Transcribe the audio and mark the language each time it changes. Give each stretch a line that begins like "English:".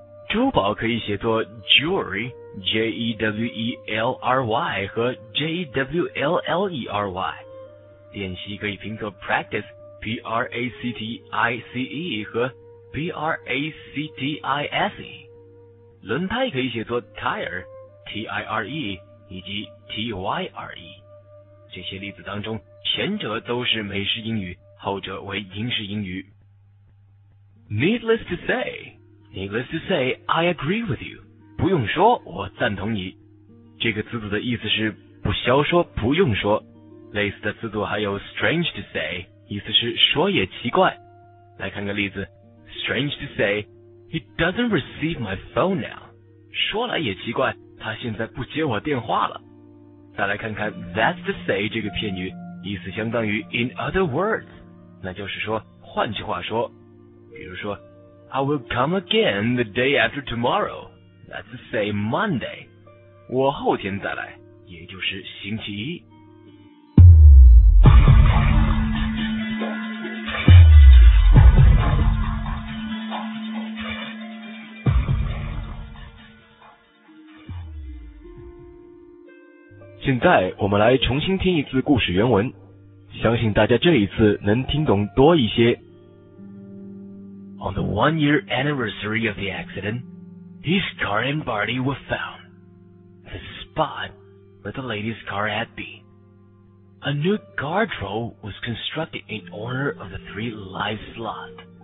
Chinese: 珠宝可以写作 jewelry, J-E-W-E-L-R-Y 和 J-E-W-L-L-E-R-Y, 练习可以拼作 practice,practice 和 practice, 轮胎可以写作 tire, tire 以及 tyre, 这些例子当中前者都是美式英语，后者为英式英语。
English: Needless to say, I agree with you,
Chinese: 不用说我赞同你。这个词组的意思是不消说不用说，类似的词组还有
English: strange to say,
Chinese: 意思是说也奇怪。来看个例子，
English: Strange to say, he doesn't receive my phone now.
Chinese: 说来也奇怪，他现在不接我电话了。再来看看
English: that's to say
Chinese: 这个片语，意思相当于
English: in other words,
Chinese: 那就是说换句话说。比如说
English: I will come again the day after tomorrow, that's to say Monday.
Chinese: 我后天再来，也就是星期一。现在我们来重新听一次故事原文，相信大家这一次能听懂多一些。
English: On the 1 year anniversary of the accident, his car and body were found. The spot where the lady's car had been. A new guardrail was constructed in honor of the three lives lost.